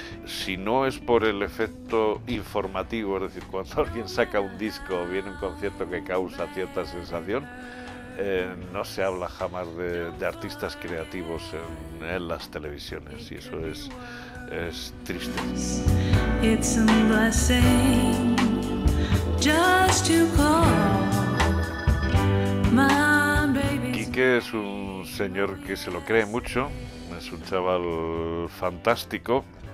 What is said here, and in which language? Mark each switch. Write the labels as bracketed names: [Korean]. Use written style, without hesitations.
[Spanish] Si no es por el efecto informativo, es decir, cuando alguien saca un disco o viene un concierto que causa cierta sensación, No se habla jamás de artistas creativos en las televisiones, y eso es triste. [English] It's a blessing just to call my baby. [Spanish] Quique es un señor que se lo cree mucho, es un chaval fantástico.